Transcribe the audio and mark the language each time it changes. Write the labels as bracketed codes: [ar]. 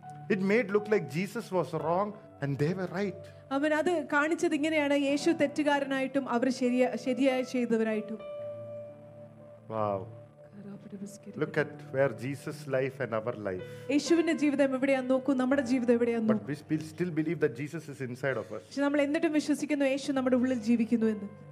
[en] It made look like Jesus was wrong and they were right. [ml] അവൻ അത് കാണിച്ചത് ഇങ്ങനെയാണ്, യേശു തെറ്റുകാരനായിട്ടും അവർ ശരിയായ ചെയ്തവരായിട്ടും. Wow. [en] Look at where Jesus' life and our life. [ml] യേശുവിന്റെ ജീവിതം എവിടെയാണ് നോക്കൂ, നമ്മുടെ ജീവിതം എവിടെയാണ്? [en] But we still believe that Jesus is inside of us. [ml] നമ്മൾ എന്നിട്ടും വിശ്വസിക്കുന്നു യേശു നമ്മുടെ ഉള്ളിൽ ജീവിക്കുന്നു എന്ന്.